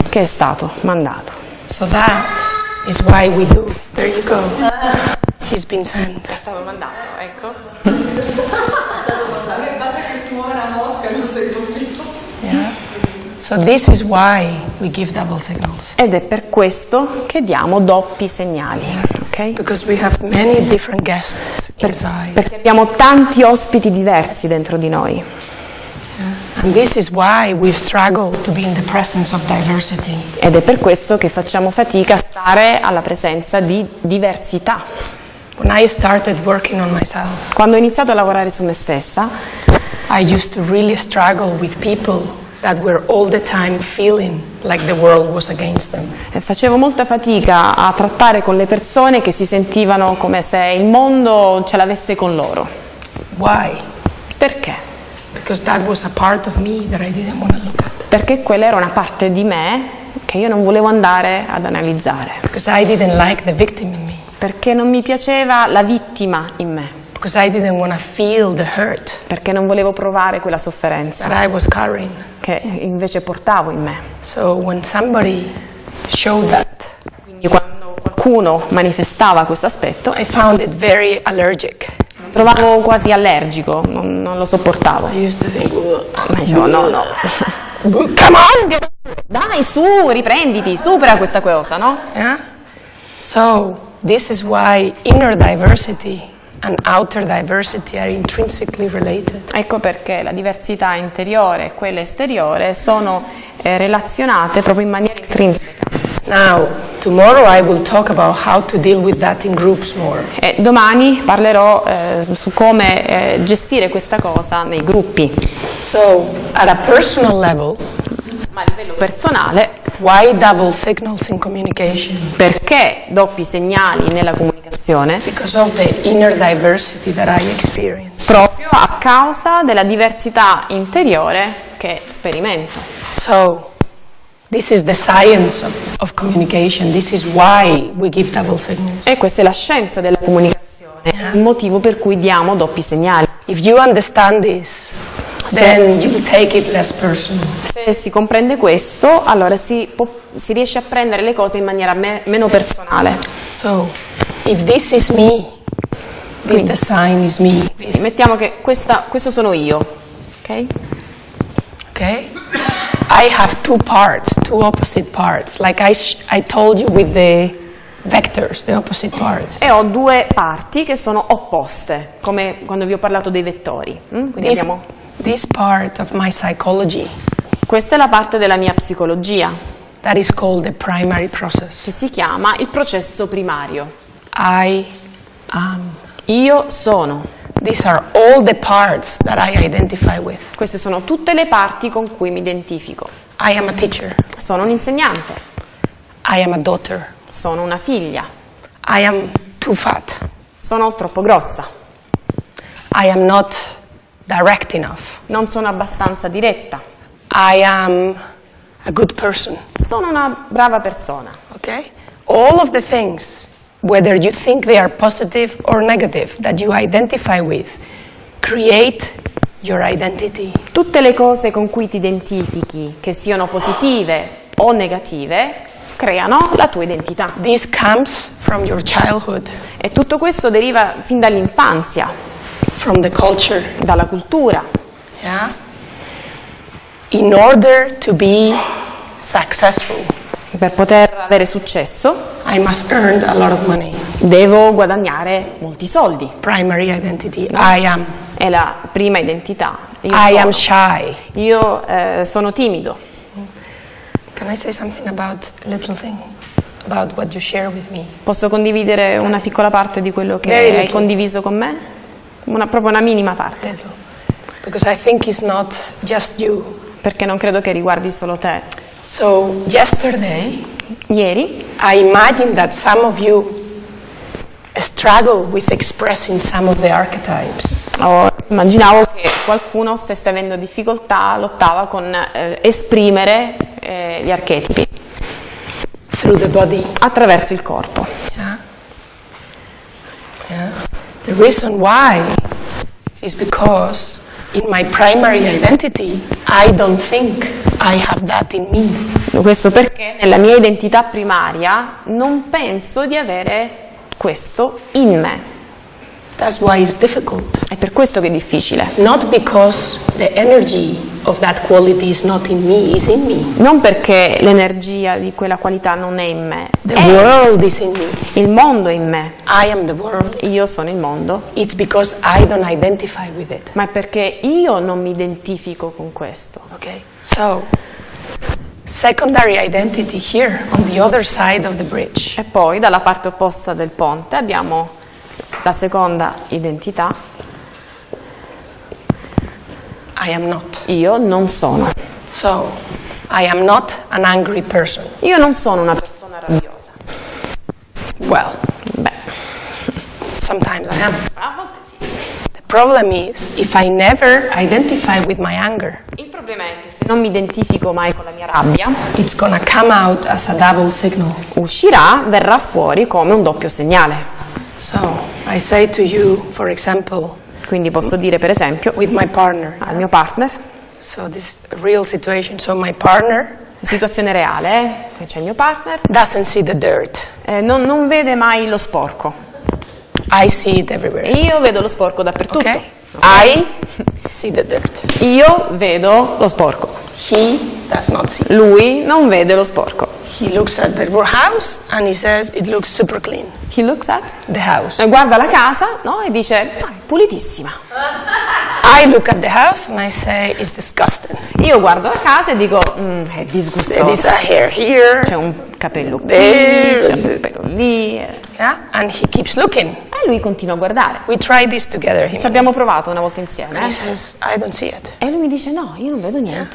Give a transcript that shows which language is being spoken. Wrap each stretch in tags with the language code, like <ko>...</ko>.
<it>Che è stato mandato.</it> <en>So that is why we do. There you go. He's been sent.</en> <it>È stato mandato, ecco.</it> <en>So this is why we give double signals.</en> <it>Ed è per questo che diamo doppi segnali, ok?</it> <en>Because we have many different guests inside.</en> <it>Perché abbiamo tanti ospiti diversi dentro di noi.</it> <en>And this is why we struggle to be in the presence of diversity.</en> <it>Ed è per questo che facciamo fatica a stare alla presenza di diversità.</it> <en>When I started working on myself.</en> <it>Quando ho iniziato a lavorare su me stessa,</it> <en>I used to really struggle with people that were all the time feeling like the world was against them.</en> <it>E facevo molta fatica a trattare con le persone che si sentivano come se il mondo ce l'avesse con loro.</it> <en>Why?</en> <it>Perché?</it> <en>Because that was a part of me that I didn't want to look at.</en> <it>Perché quella era una parte di me che io non volevo andare ad analizzare.</it> <en>Because I didn't like the victim in me.</en> <it>Perché non mi piaceva la vittima in me.</it> <en>Because I didn't want to feel the hurt.</en> <it>Perché non volevo provare quella sofferenza.</it> <en>That I was carrying.</en> <it>Che invece portavo in me.</it> <en>So when somebody showed that.</en> <it>Quindi quando qualcuno manifestava questo aspetto.</it> <en>I found it very allergic.</en> <it>Trovavo quasi allergico. Non lo sopportavo.</it> <en>I used to say,</en> <it>ma io no.</it> <en>Come on!</en> <it>Dai, su, riprenditi, supera questa cosa, no?</it> <en>Yeah? So this is why inner diversity and outer diversity are intrinsically related.</en> <it>Ecco perché la diversità interiore e quella esteriore sono relazionate proprio in maniera intrinseca.</it> <en>Now, tomorrow I will talk about how to deal with that in groups more.</en> <it>E domani parlerò su come gestire questa cosa nei gruppi.</it> <en>So, at a personal level,</en> <it>ma a livello personale,</it> <en>why double signals in communication?</en> <it>Perché doppi segnali nella comunicazione?</it> <en>Because of the inner diversity that I experience.</en> <it>Proprio a causa della diversità interiore che sperimento.</it> <en>So, this is the science of communication. This is why we give double signals.</en> <it>E questa è la scienza della comunicazione, il motivo per cui diamo doppi segnali.</it> <en>If you understand this, then you take it less personal.</en> <it>Se si comprende questo, allora si riesce a prendere le cose in maniera meno personale.</it> <en>So, if this is me, this design is me. This.</en> <it>Mettiamo che questo sono io. Ok? Ok?</it> <en>I have two parts, two opposite parts, like I told you with the vectors, the opposite parts.</en> <it>E ho due parti che sono opposte, come quando vi ho parlato dei vettori. Quindi</it> <en>this part of my psychology.</en> <it>Questa è la parte della mia psicologia.</it> <en>That is called the primary process.</en> <it>Che si chiama il processo primario.</it> <en>I am.</en> <it>Io sono.</it> <en>These are all the parts that I identify with.</en> <it>Queste sono tutte le parti con cui mi identifico.</it> <en>I am a teacher.</en> <it>Sono un insegnante.</it> <en>I am a daughter.</en> <it>Sono una figlia.</it> <en>I am too fat.</en> <it>Sono troppo grossa.</it> <en>I am not direct enough.</en> <it>Non sono abbastanza diretta.</it> <en>I am a good person.</en> <it>Sono una brava persona.</it> <en>Okay? All of the things, whether you think they are positive or negative, that you identify with, create your identity.</en> <it>Tutte le cose con cui ti identifichi, che siano positive o negative, creano la tua identità.</it> <en>This comes from your childhood.</en> <it>E tutto questo deriva fin dall'infanzia.</it> <en>From the culture.</en> <it>Dalla cultura.</it> <en>Yeah? In order to be successful,</en> <it>per poter avere successo,</it> <en>I must earn a lot of money.</en> <it>Devo guadagnare molti soldi.</it> <en>Primary identity, I am.</en> <it>È la prima identità.</it> <en>Am shy.</en> <it>Io sono timido.</it> <en>Can I say something about a little thing about what you share with me?</en> <it>Posso condividere una piccola parte di quello che hai condiviso con me? Proprio una minima parte.</it> <en>Because I think it's not just you.</en> <it>Perché non credo che riguardi solo te.</it> <en>So yesterday,</en> <it>ieri,</it> <en>I imagine that some of you struggle with expressing some of the archetypes.</en> <it>Immaginavo che qualcuno stesse avendo difficoltà, lottava con esprimere gli archetipi.</it> <en>Through the body.</en> <it>Attraverso il corpo.</it> <en>Yeah. Yeah. The reason why is because in my primary identity, I don't think I have that in me.</en> <it>Questo perché nella mia identità primaria non penso di avere questo in me.</it> <en>That's why it's difficult.</en> <it>È per questo che è difficile.</it> <en>Not because the energy of that quality is not in me, is in me.</en> <it>Non perché l'energia di quella qualità non è in me.</it> <en>The world is in me.</en> <it>Il mondo è in me.</it> <en>I am the world.</en> <it>Io sono il mondo.</it> <en>It's because I don't identify with it.</en> <it>Ma è perché io non mi identifico con questo.</it> <en>Okay. So, secondary identity here on the other side of the bridge.</en> <it>E poi dalla parte opposta del ponte abbiamo la seconda identità.</it> <en>I am not.</en> <it>Io non sono.</it> <en>So, I am not an angry person.</en> <it>Io non sono una persona rabbiosa.</it> <en>Well, sometimes I am. The problem is if I never identify with my anger.</en> <it>Il problema è che se non mi identifico mai con la mia rabbia,</it> <en>it's gonna come out as a double signal.</en> <it>Uscirà, verrà fuori come un doppio segnale.</it> <en>So, I say to you, for example,</en> <it>quindi posso dire per esempio</it> <en>with my partner,</en> <it>al mio partner.</it> <en>So this real situation, so my partner,</en> <it>situazione reale, che c'è il mio partner,</it> <en>doesn't see the dirt.</en> <it>Non vede mai lo sporco.</it> <en>I see it everywhere.</en> <it>Io vedo lo sporco dappertutto.</it> <en>Okay. Okay. I see the dirt.</en> <it>Io vedo lo sporco.</it> <en>He does not see.</en> <it>Lui non vede lo sporco.</it> <en>He looks at the house and he says it looks super clean. He looks at the house.</en> <it>Guarda la casa, no? E dice: ah, è pulitissima.</it> <en>I look at the house and I say it's disgusting.</en> <it>Io guardo la casa e dico è disgustoso.</it> <en>There is a hair here.</en> <it>C'è un capello qui. C'è un capello lì.</it> <en>Yeah, and he keeps looking.</en> <it>E lui continua a guardare.</it> <en>We tried this together.</en> <it>Ci abbiamo provato una volta insieme.</it> <en>He says I don't see it.</en> <it>E lui mi dice no, io non vedo niente.</it>